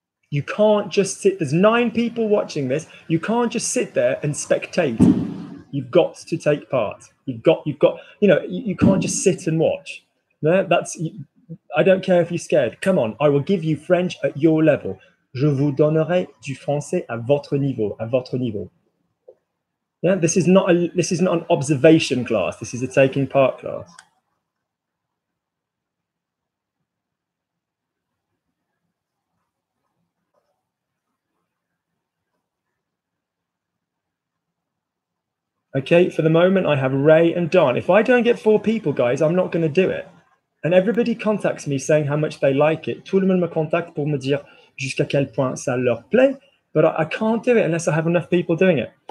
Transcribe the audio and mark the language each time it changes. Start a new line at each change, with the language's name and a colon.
English: You can't just sit, there's nine people watching this. You can't just sit there and spectate. You've got to take part. You can't just sit and watch. I don't care if you're scared. Come on, I will give you French at your level.
French: Je vous donnerai du français à votre niveau.
English: Yeah, this is not an observation class. This is a taking part class. Okay, for the moment, I have Ray and Don. If I don't get four people, guys, I'm not going to do it. And everybody contacts me saying how much they like it.
French: Tout le monde me contacte pour me dire jusqu'à quel point ça leur plaît.
English: But I can't do it unless I have enough people doing it.